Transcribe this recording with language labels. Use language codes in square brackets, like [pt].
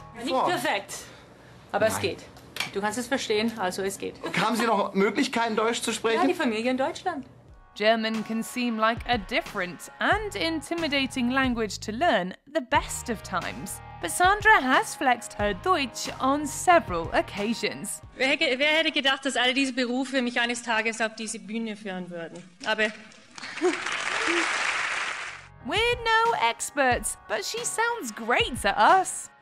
[de] Nicht perfekt, aber es geht. Du kannst es verstehen, also es geht. Haben Sie noch Möglichkeiten, Deutsch zu sprechen? Ja, die Familie in Deutschland. [en] German can seem like a different and intimidating language to learn the best of times. But Sandra has flexed her Deutsch on several occasions. [de] Wer hätte gedacht, dass alle diese Berufe mich eines Tages auf diese Bühne führen würden? Aber [en] we're no experts, but she sounds great to us.